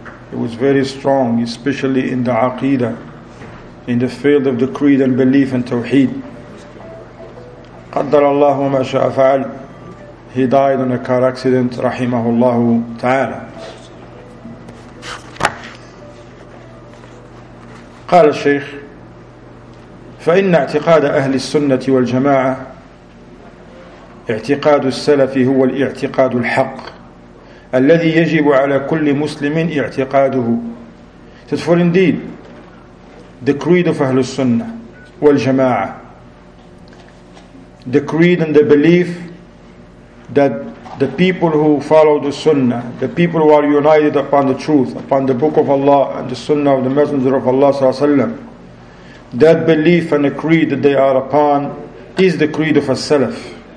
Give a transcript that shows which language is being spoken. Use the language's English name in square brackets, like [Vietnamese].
[English] He was very strong, especially in the Aqidah, in the field of the creed and belief and Tawheed. [Arabic] قَدَّرَ اللَّهُ وَمَا شَاءَ فَعَلْ. [English] He died in a car accident, rahimahullah ta'ala. [Arabic] قال الشيخ فإن اعتقاد أهل السنة والجماعة اعتقاد السلف هو الاعتقاد الحق الذي يجب على كل مسلم اعتقاده. [English] That for indeed, the creed of أهل السنة والجماعة, the creed and the belief that the people who follow the Sunnah, the people who are united upon the truth, upon the Book of Allah and the Sunnah of the Messenger of Allah sallallahu alaihi wasallam, that belief and the creed that they are upon is the creed of a Salaf.